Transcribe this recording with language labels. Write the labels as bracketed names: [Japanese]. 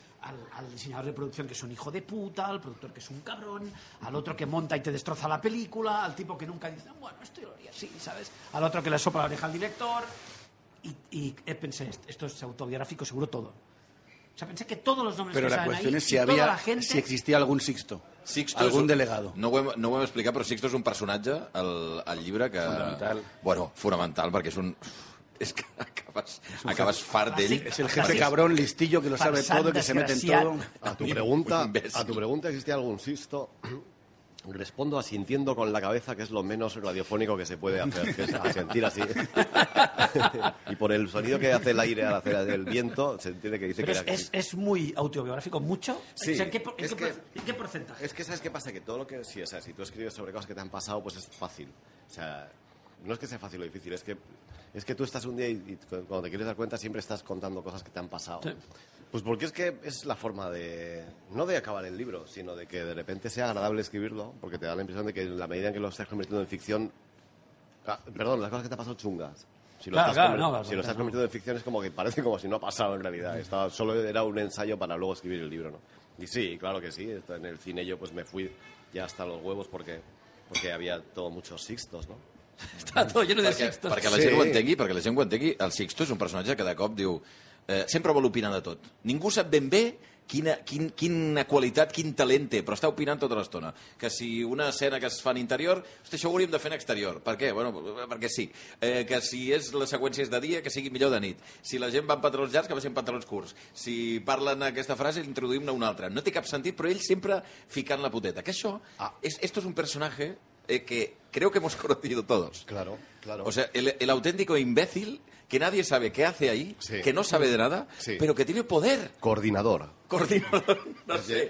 [Spanish] Al diseñador de producción que es un hijo de puta, al productor que es un cabrón, al otro que monta y te destroza la película, al tipo que nunca dice, bueno, esto yo lo haría así, ¿sabes? Al otro que le sopla la oreja al director. Y pensé, esto es autobiográfico seguro todo. O sea, pensé que todos los nombres pero que salen ahí, toda la gente... Pero la cuestión es si había, si existía algún Sixto. Sixto algún delegado. [Catalan] No ho hem explicat, però Sixto és un personatge al llibre que... Fonamental. Bueno, fonamental, perquè és un... És que acabes fart d'ell. [Spanish] És el jefe cabrón listillo que lo sabe todo, que se mete en todo. A tu pregunta, ¿existía algún Sixto? Respondo asintiendo con la cabeza, que es lo menos radiofónico que se puede hacer, que es asentir así. Y por el sonido que hace el aire al hacer el viento, se entiende que dice pero que... Es muy autobiográfico, ¿mucho? Sí. O sea, ¿en qué porcentaje? Es que, ¿sabes qué pasa? Que todo lo que... Sí, o sea, si tú escribes sobre cosas que te han pasado, pues es fácil. O sea, no es que sea fácil o difícil, es que tú estás un día y cuando te quieres dar cuenta siempre estás contando cosas que te han pasado. Sí. Pues porque es que es la forma de, no de acabar el libro, sino de que de repente sea agradable escribirlo, porque te da la impresión de que en la medida en que lo estás convirtiendo en ficción, perdón, las cosas que te han pasado chungas, si lo estás convirtiendo en ficción es como que parece como si no ha pasado en realidad, solo era un ensayo para luego escribir el libro, ¿no? Y sí, claro que sí, en el cine yo pues me fui ya hasta los huevos porque había todo muchos Sixtos, ¿no? Está todo lleno de Sixtos. [Catalan] Perquè la gent ho entengui, el Sixto és un personatge que de cop diu... sempre vol opinar de tot. Ningú sap ben bé quina qualitat, quin talent té, però està opinant tota l'estona. Que si una escena que es fa en interior, això ho hauríem de fer en exterior. Per què? Bueno, perquè sí. Que si és la seqüència és de dia, que sigui millor de nit. Si la gent va amb patrons llargs, que vagin patrons curts. Si parlen aquesta frase, introduïm-ne una altra. No té cap sentit, però ell sempre ficant la puteta. Que això, [Spanish] esto es un personaje que creo que hemos conocido todos. Claro, claro. O sea, el auténtico imbécil... Que nadie sabe qué hace ahí, sí. Que no sabe de nada, sí. Pero que tiene poder. Coordinador. Coordinador. No sé.